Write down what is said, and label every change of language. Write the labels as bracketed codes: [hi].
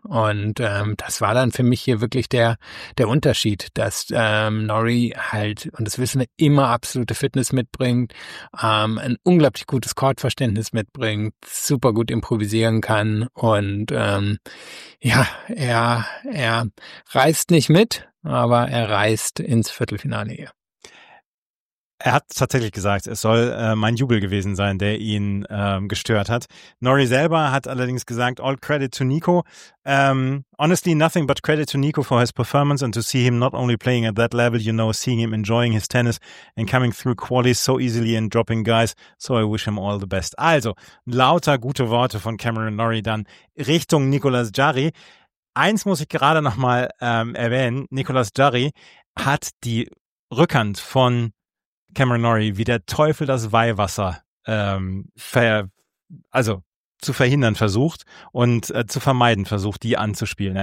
[de] Und das war dann für mich hier wirklich der Unterschied, dass Norrie halt, und das wissen wir, immer absolute Fitness mitbringt, ein unglaublich gutes Chordverständnis mitbringt, super gut improvisieren kann, und er reißt nicht mit, aber er reißt ins Viertelfinale hier. Er hat tatsächlich gesagt, es soll mein Jubel gewesen sein, der ihn gestört hat. Norrie selber hat allerdings gesagt, [en] all credit to Nico. Honestly, nothing but credit to Nico for his performance and to see him not only playing at that level, you know, seeing him enjoying his tennis and coming through qualies so easily and dropping guys. So I wish him all the best. [de] Also, lauter gute Worte von Cameron Norrie dann Richtung Nicolas Jarry. Eins muss ich gerade nochmal erwähnen. Nicolas Jarry hat die Rückhand von Cameron Norrie, wie der Teufel das Weihwasser zu verhindern versucht und zu vermeiden versucht, die anzuspielen.